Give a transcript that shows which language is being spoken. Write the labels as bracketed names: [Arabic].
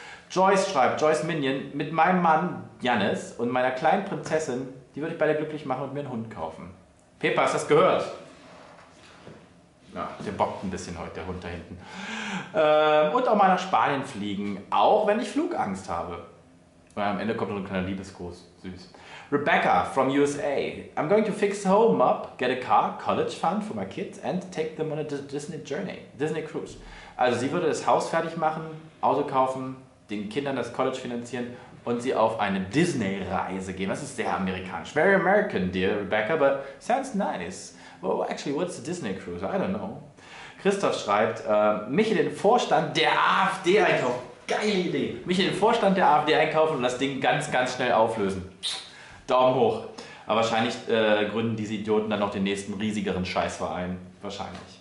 [German] Joyce schreibt, Joyce Minion, mit meinem Mann Janis und meiner kleinen Prinzessin, die würde ich beide glücklich machen und mir einen Hund kaufen. Pepa, hast du das gehört? Ja, der bockt ein bisschen heute, der Hund da hinten. Und auch mal nach Spanien fliegen, auch wenn ich Flugangst habe. Und am Ende kommt noch ein kleiner Liebesgruß, süß. [English] Rebecca from USA. I'm going to fix home up, get a car, college fund for my kids and take them on a Disney cruise. [German] Also sie würde das Haus fertig machen, Auto kaufen, den Kindern das College finanzieren und sie auf eine Disney-Reise gehen. Das ist sehr amerikanisch. [English] Very American, dear Rebecca, but sounds nice. Well, actually, what's the Disney Cruise? I don't know. [German] Christoph schreibt, mich in den Vorstand der AfD einkaufen. Geile Idee. Mich in den Vorstand der AfD einkaufen und das Ding ganz, ganz schnell auflösen. Daumen hoch. Aber wahrscheinlich gründen diese Idioten dann noch den nächsten riesigeren Scheißverein. Wahrscheinlich.